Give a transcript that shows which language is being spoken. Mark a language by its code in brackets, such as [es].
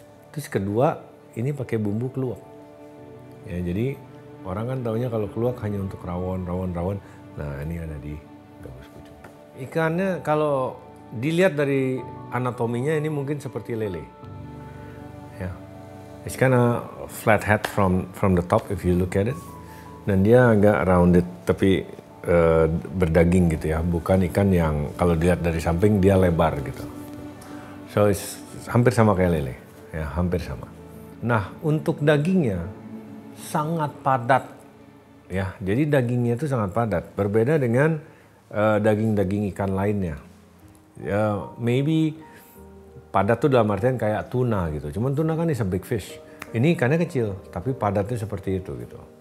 [id] Terus kedua, ini pakai bumbu keluak. Ya, jadi orang kan taunya kalau keluak hanya untuk rawon. Nah, ini ada di gabus pucung. Ikannya kalau dilihat dari anatominya ini mungkin seperti lele. Ya. [en] It's kind of flat head from the top if you look at it. [id] Dan dia agak rounded tapi berdaging gitu ya. Bukan ikan yang kalau dilihat dari samping dia lebar gitu. [en] So it's [id] hampir sama kayak lele. Ya, hampir sama. Nah, untuk dagingnya sangat padat. Ya, jadi dagingnya itu sangat padat. Berbeda dengan daging-daging ikan lainnya. Ya, [en] maybe [id] padat tuh dalam artian kayak tuna gitu. Cuman tuna kan [en] is a big fish. [id] Ini ikannya kecil, tapi padatnya seperti itu gitu.